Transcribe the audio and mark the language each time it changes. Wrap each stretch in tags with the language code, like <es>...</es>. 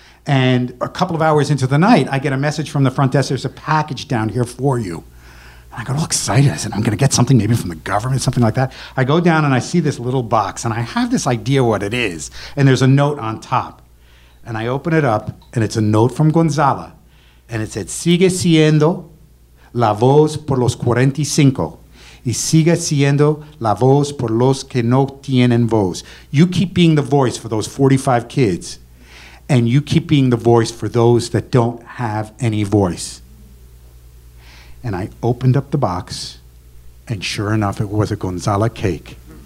<en>And a couple of hours into the night, I get a message from the front desk, there's a package down here for you. And I got all excited. I said, I'm going to get something maybe from the government, something like that. I go down and I see this little box, and I have this idea what it is. And there's a note on top. And I open it up, and it's a note from Gonzala.</en> <es>And it said, sigue siendo la voz por los 45, y sigue siendo la voz por los que no tienen voz.</es> <en>You keep being the voice for those 45 kids, and you keep being the voice for those that don't have any voice. And I opened up the box, and sure enough, it was a Gonzala cake.</en>